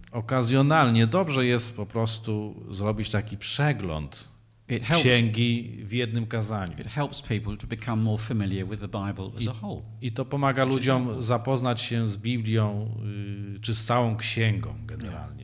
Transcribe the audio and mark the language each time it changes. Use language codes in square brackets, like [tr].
[pl] Okazjonalnie dobrze jest po prostu zrobić taki przegląd księgi w jednym kazaniu. [en] It helps people to become more familiar with the Bible as a whole. [pl] I to pomaga ludziom zapoznać się z Biblią czy z całą księgą generalnie.